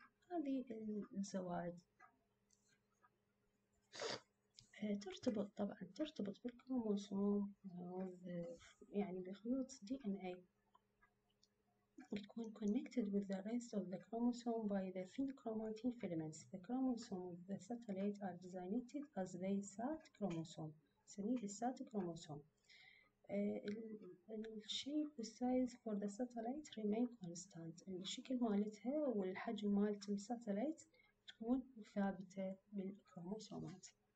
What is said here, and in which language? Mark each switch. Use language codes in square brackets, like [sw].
[ar] هذه الزوائد ترتبط طبعا ترتبط بالكروموسوم، يعني بخيوط دي ان اي تكون [en] connected with the rest of the chromosome by the thin chromatin filaments. The chromosome of the satellite are designated as the sat chromosome. [ar] سمي بالسات كروموسوم. [en] الشيب والسايز for the satellite remain constant, [ar] الشكل مالتها والحجم مالت الساتلايت تكون ثابتة بالكروموسومات.